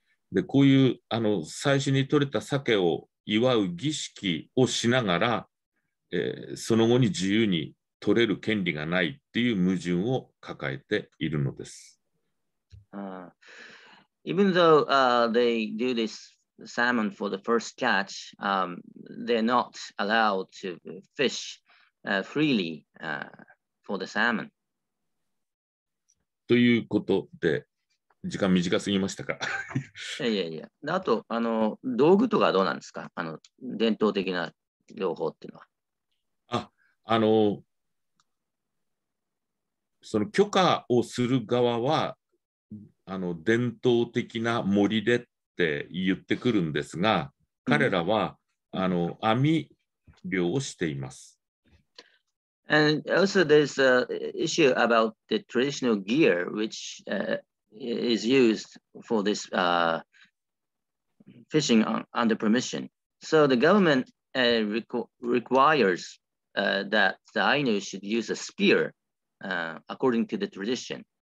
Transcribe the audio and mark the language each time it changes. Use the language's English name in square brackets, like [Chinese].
[Japanese] で、こういう最初に取れた鮭を祝う儀式をしながら、その後に自由に取れる権利がないっていう矛盾を抱えているのです。 [English] Even though they do this salmon for the first catch, they're not allowed to fish freely for the salmon. [Japanese] ということで、時間短すぎましたか。いや。あと道具とかどうなんですか。伝統的な漁法っていうのは。その許可をする側は伝統的な森でって言ってくるんですが、彼らは、うん、網漁をしています。 [English] And also there's a issue about the traditional gear which is used for this fishing under permission. So the government requires that the Ainu should use a spear according to the tradition.